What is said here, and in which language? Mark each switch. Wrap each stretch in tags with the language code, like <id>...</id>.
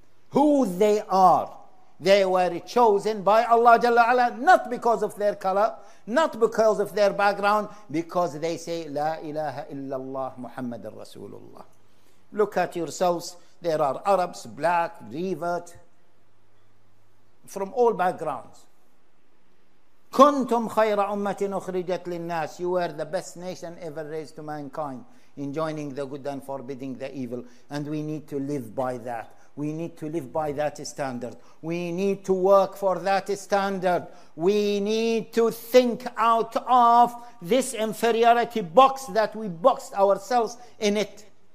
<en>Who they are. They were chosen by Allah Jalla Ala, not because of their color, not because of their background, because they say,</en> <ar>La ilaha illallah Muhammad Rasulullah.</ar> <en>Look at yourselves. There are Arabs, black, revert, from all backgrounds.</en> <ar>كنتم خير أمة أخرجت للناس.</ar> <en>You were the best nation ever raised to mankind, enjoining the good and forbidding the evil. And we need to live by that. We need to live by that standard. We need to work for that standard. We need to think out of this inferiority box that we boxed ourselves in it.</en>